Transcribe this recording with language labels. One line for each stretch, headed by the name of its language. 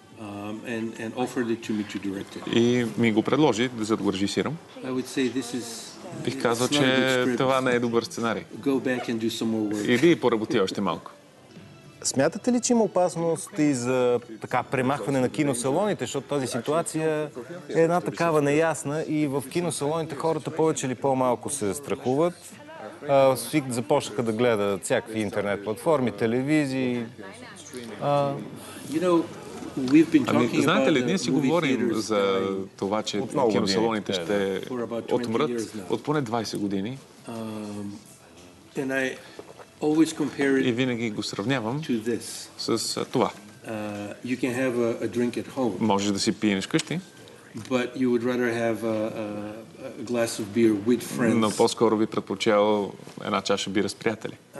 English: and offered it to me to direct it.
Bulgarian: И ми го предложи за да го режисирам,
English: I would say this is,
Bulgarian: бих казал, че това не е добър сценарий.
English: Go back and do some more work.
Bulgarian: Иди и поработи още малко. Смятате ли, че има опасност и за така премахване на киносалоните, защото тази ситуация е една такава неясна и в киносалоните хората повече или по-малко се страхуват. Започнаха да гледат всякакви интернет платформи, телевизии. Знаете ли, ние си говорим за това, че киносалоните ще отмрат от поне 20 години. И винаги го сравнявам с това.
English: You can have a drink at home.
Bulgarian: Можеш да си пиеш вкъщи.
English: But you would rather have a glass of beer with friends.
Bulgarian: Но по-скоро би предпочел една чаша бира с приятели.